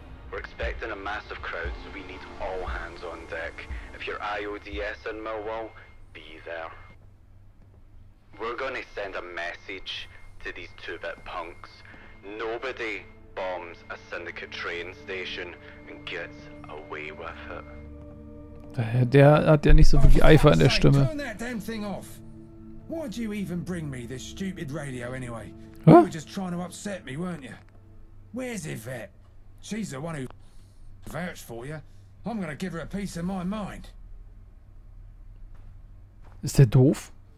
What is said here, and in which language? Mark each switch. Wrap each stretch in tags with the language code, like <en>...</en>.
<en>We're expecting a massive crowd, so we need all hands on deck. If you're IODS in Millwall, be there. We're gonna send a message to these two-bit punks. Nobody bombs a syndicate train station and gets away with it.</en> <de>Der hat ja nicht so wirklich Eifer in der Stimme.</de> <en>Turn that damn thing off. Why do you even bring me this stupid radio anyway? You were just trying to upset me, weren't you? Where's Yvette? She's the one who vouched for you. I'm gonna give her a piece of my mind.</en> <de>Ist der doof?</de>